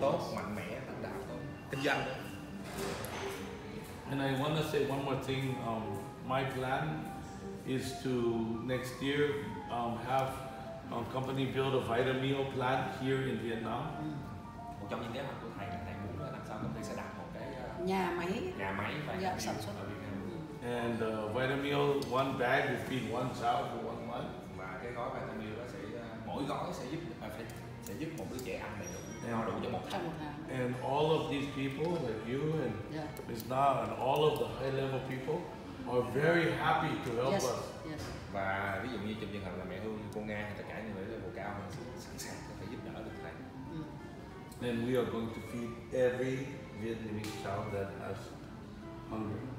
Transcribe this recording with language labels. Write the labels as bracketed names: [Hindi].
[Vietnamese] Tốt, mạnh mẽ, lãnh đạo tốt, kinh doanh. [English] And I want to say one more thing. My plan is to next year have a company build a vitamin plant here in Vietnam. [Vietnamese] Một trong những kế hoạch của thầy là thầy muốn là làm sao công ty sẽ đặt một cái nhà máy và sản xuất. [English] And vitamin one bag will feed one child for 1 month. [Vietnamese] Và cái gói vitamin đó sẽ mỗi gói sẽ giúp phải giúp một đứa trẻ ăn đầy đủ, no đủ cho một tháng. [English] And all of these people like you and Miss Na and all of the high level people are very happy to help us. Yes. [Vietnamese] Và ví dụ như trong trường hợp là mẹ Hương, cô Nga hay tất cả những người level cao sẵn sàng có thể giúp đỡ được thầy. [English] Then we are going to feed every Vietnamese child that has hunger.